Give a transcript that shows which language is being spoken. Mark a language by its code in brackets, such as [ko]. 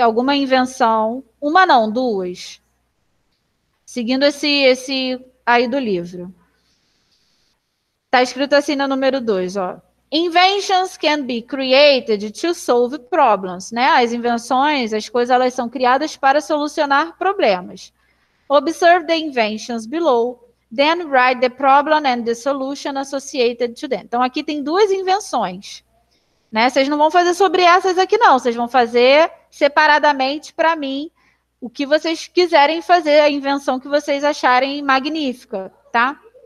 [pt] Alguma invenção. Uma não, duas. Seguindo esse aí do livro. Está escrito assim no número 2, ó. [en] Inventions can be created to solve problems, [pt] né? As invenções, as coisas, elas são criadas para solucionar problemas. [en] Observe the inventions below. Then write the problem and the solution associated to them. [pt] Então, aqui tem 2 invenções. Né? Vocês não vão fazer sobre essas aqui, não. Vocês vão fazer separadamente para mim o que vocês quiserem fazer, a invenção que vocês acharem magnífica, tá?